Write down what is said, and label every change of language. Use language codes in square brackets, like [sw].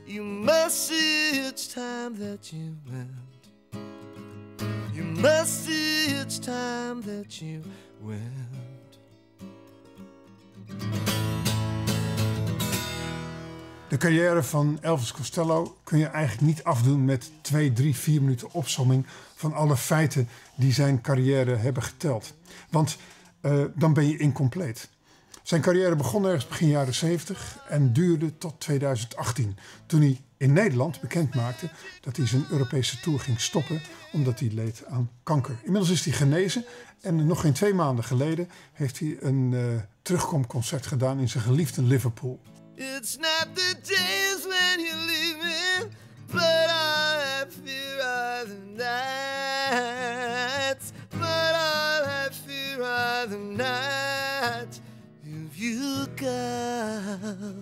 [en] You must see it's time that you went. You must see it's time that you went. [nl] De carrière van Elvis Costello kun je eigenlijk niet afdoen met 2, 3, 4 minuten opsomming van alle feiten die zijn carrière hebben geteld. Want dan ben je incompleet. Zijn carrière begon ergens begin jaren 70 en duurde tot 2018, toen hij in Nederland bekend maakte dat hij zijn Europese tour ging stoppen omdat hij leed aan kanker. Inmiddels is hij genezen en nog geen 2 maanden geleden heeft hij een terugkomconcert gedaan in zijn geliefde Liverpool. [en] It's not the days when you leave me, but I have fear of the night. But I have fear of the night if you go.